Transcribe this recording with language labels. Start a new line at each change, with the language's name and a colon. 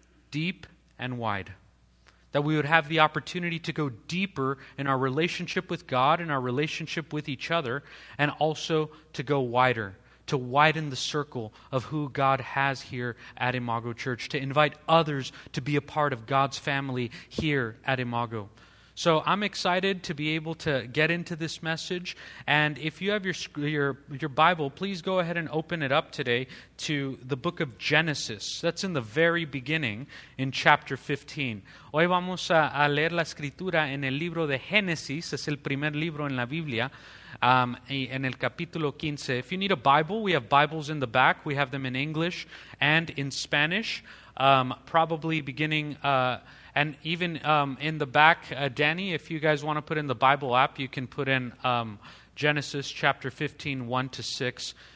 English: Deep and wide. That we would have the opportunity to go deeper in our relationship with God and our relationship with each other, and also to go wider, to widen the circle of who God has here at Imago Church, to invite others to be a part of God's family here at Imago. So I'm excited to be able to get into this message, and if you have your Bible, please go ahead and open it up today to the book of Genesis. That's in the very beginning, in chapter 15.
Spanish: Hoy vamos a leer la escritura en el libro de Génesis, es el primer libro en la Biblia, en el capítulo 15.
English: If you need a Bible, we have Bibles in the back. We have them in English and in Spanish, probably beginning... And even in the back, Danny, if you guys want to put in the Bible app, you can put in Genesis chapter 15, 1 to 6.